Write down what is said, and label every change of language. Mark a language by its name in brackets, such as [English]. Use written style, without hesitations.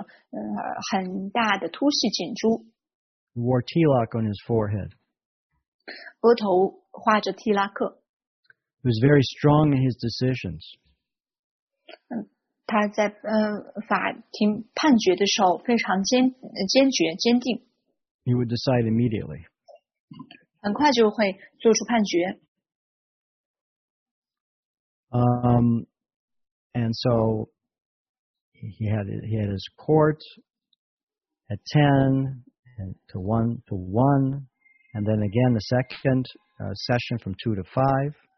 [Chinese] 他去法庭上班的时候会穿着长裤和外套，但是他同时也会戴着很大的凸细颈珠。 [English] He wore tilak on his forehead. [Chinese] 额头画着tilak。 [English] He was very strong in his decisions. [Chinese] 他在法庭判决的时候非常坚决坚定。 [English] He would decide immediately. [Chinese] 很快就会做出判决。 [English] And so he had his court at 10 and to 1 and then again the second session from 2 to 5.